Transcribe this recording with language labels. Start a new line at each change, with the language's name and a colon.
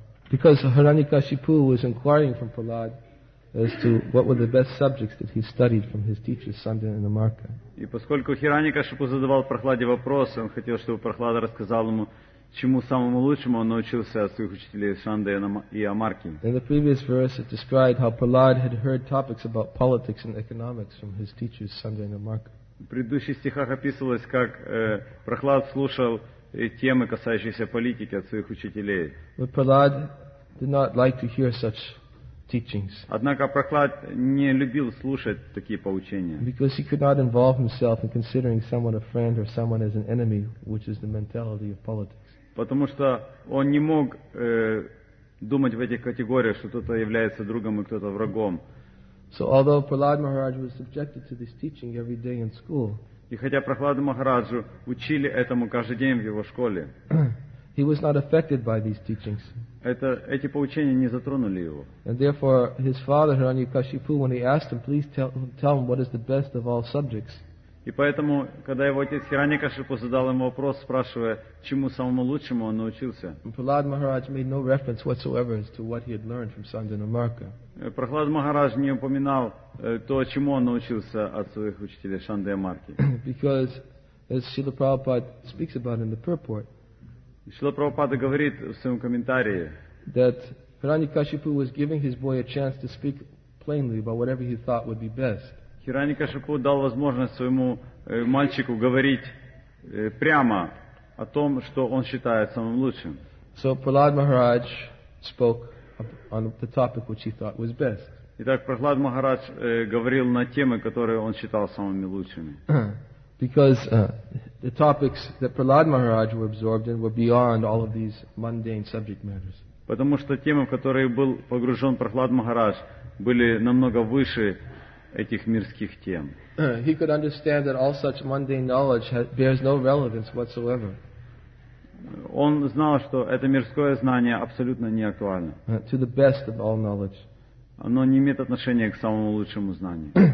English: Because Hiranyakashipu was inquiring from Prahlad as to what were the best subjects that he studied from his teacher Sandana and Amarka.
Russian: И поскольку Хираньякашипу задавал Прохладе вопросы, он хотел, чтобы Прохлада рассказал ему, чему самому лучшему он научился от своих учителей Шандана и Амарки.
English: In the previous verse, it described how Prahlad had heard topics about politics and economics from his teachers Sandana and Amarka.
Russian: В предыдущих стихах описывалось, как Прохлад слушал темы, касающиеся политики, от своих учителей.
English: But Prahlad did not like to hear such teachings.
Russian: Однако Прохлад не любил слушать такие поучения.
English: Because he could not involve himself in considering someone a friend or someone as an enemy, which is the mentality of politics.
Russian: Потому что он не мог думать в этих категориях, что кто-то является другом и кто-то врагом.
English: So although Prahlad Maharaj was subjected to this teaching every day in school,
Russian: и хотя Прохладу Махараджу учили этому каждый день в его школе,
English: he was not affected by these teachings.
Russian: Эти поучения не затронули его.
English: And therefore, his father Hiranyakashipu, when he asked him, please tell him what is the best of all subjects.
Russian: И поэтому, когда его отец Хиранякашипу задал ему вопрос, спрашивая, чему самому лучшему он научился,
English: Prahlad Maharaj made no reference whatsoever as to what he had learned from Sandana Marka.
Russian: Прохлад Махарадж не упоминал то, чему он научился от своих учителей Шанды и Амарки.
English: Because, as Srila Prabhupada speaks about in the purport,
Russian: Srila Prabhupada говорит в своем комментарии,
English: that Hiranyakashipu was giving his boy a chance to speak plainly about whatever he thought would be best.
Russian: Хиранякашипу дал возможность своему мальчику говорить прямо о том, что он считает самым лучшим.
English: So Prahlad Maharaj spoke on the topic which he thought was best.
Russian: Итак, Прохлад Махарадж говорил на темы, которые он считал самыми лучшими.
English: Because the topics that Prahlad Maharaj were absorbed in were beyond all of these mundane subject matters.
Russian: Потому что темы, в которые был погружен Прохлад Махарадж, были намного выше этих мирских тем.
English: He could understand that all such mundane knowledge bears no relevance whatsoever.
Russian: Он знал, что это мирское знание абсолютно не актуально.
English: To the best of all knowledge.
Russian: Оно не имеет отношения к самому лучшему знанию.